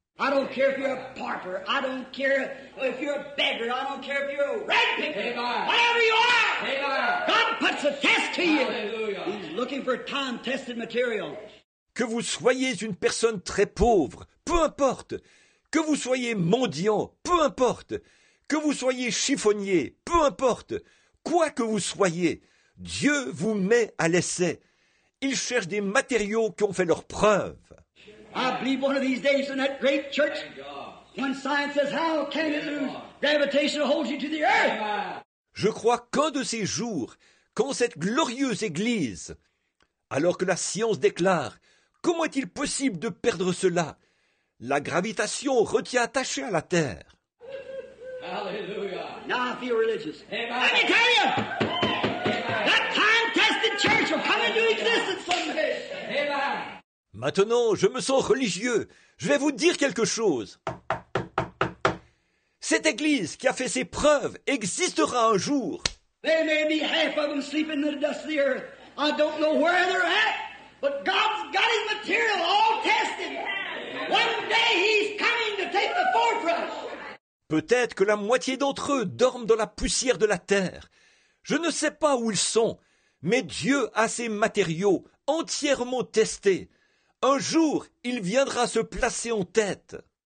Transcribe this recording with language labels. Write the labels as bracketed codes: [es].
[en] I don't care if you're a pauper, I don't care if you're a beggar, I don't care if you're a rag picker, whatever you are, God puts a test to you. He's looking for time-tested material. [fr] Que vous soyez une personne très pauvre, peu importe, que vous soyez mendiant, peu importe, que vous soyez chiffonnier, peu importe, quoi que vous soyez, Dieu vous met à l'essai. Il cherche des matériaux qui ont fait leur preuve. [en] I believe one of these days in that great church, when science says, how can it lose? Gravitation holds you to the earth. [fr] Je crois qu'un de ces jours, quand cette glorieuse église, alors que la science déclare, comment est-il possible de perdre cela? La gravitation retient attaché à la terre. [en] Now I feel religious. Amen. Let me tell you, that time-tested church will come into existence someday. Amen. [fr] Maintenant, je me sens religieux. Je vais vous dire quelque chose. Cette église qui a fait ses preuves existera un jour. [en] They may be half of them sleeping in the dust of the earth. I don't know where they're at, but God's got his material all tested. One day he's coming to take the forefront. [fr] Peut-être que la moitié d'entre eux dorment dans la poussière de la terre. Je ne sais pas où ils sont, mais Dieu a ses matériaux entièrement testés. Un jour, il viendra se placer en tête.